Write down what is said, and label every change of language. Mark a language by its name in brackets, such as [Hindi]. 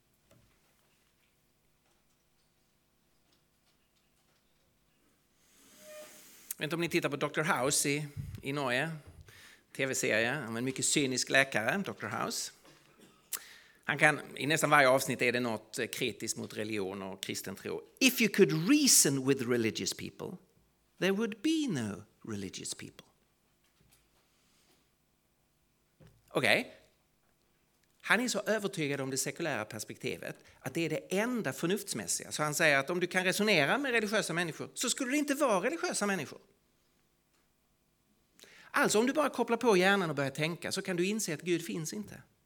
[Swedish] Jag vet inte om ni tittar på Dr. House i Norge, tv-serie om en mycket cynisk läkare, Dr. House. I nästan varje avsnitt är det något kritiskt mot religion och kristen tro. [English] If you could reason with religious people, there would be no religious people. [Swedish] Okej. Han är så övertygad om det sekulära perspektivet att det är det enda förnuftsmässiga. Så han säger att om du kan resonera med religiösa människor så skulle det inte vara religiösa människor. Alltså om du bara kopplar på hjärnan och börjar tänka så kan du inse att Gud finns inte.